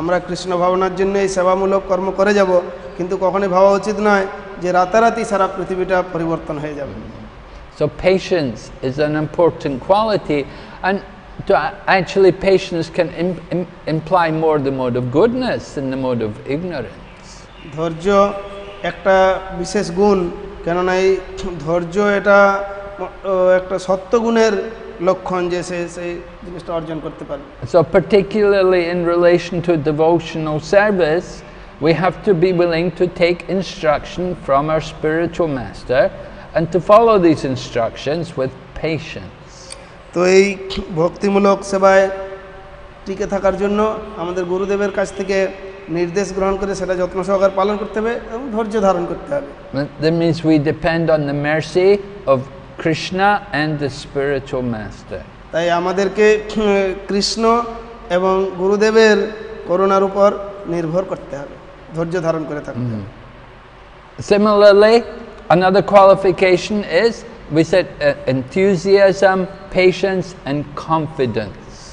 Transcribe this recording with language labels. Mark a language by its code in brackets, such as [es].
[bn] আমরা কৃষ্ণ ভাবনার জন্য এই সেবামূলক কর্ম করে যাব কিন্তু কখনো ভাবা উচিত নয় যে রাতারাতি সারা পৃথিবীটা পরিবর্তন হয়ে যাবে [en] So patience is an important quality and to actually patience can imply more the mode of goodness than the mode of ignorance [bn] ধৈর্য একটা বিশেষ গুণ, কেননা এই ধৈর্য এটা একটা সত্ত্বগুণের লক্ষণ যে সে সেই জিনিসটা অর্জন করতে পারে। [en] So particularly in relation to devotional service, we have to be willing to take instruction from our spiritual master and to follow these instructions with patience. [bn] তো এই ভক্তিমূলক সেবায় টিকে থাকার জন্য আমাদের গুরুদেবের কাছ থেকে নির্দেশ গ্রহণ করে সেটা যত্ন সহকারে পালন করতে হবে এবং ধৈর্য ধারণ করতে হবে। [en] That means we depend on the mercy of Krishna and the spiritual master. [bn] তাই আমাদেরকে কৃষ্ণ এবং গুরুদেবের করুণার উপর নির্ভর করতে হবে, ধৈর্য ধারণ করে থাকতে হবে। [en] Similarly, another qualification is, we said, enthusiasm, patience and confidence.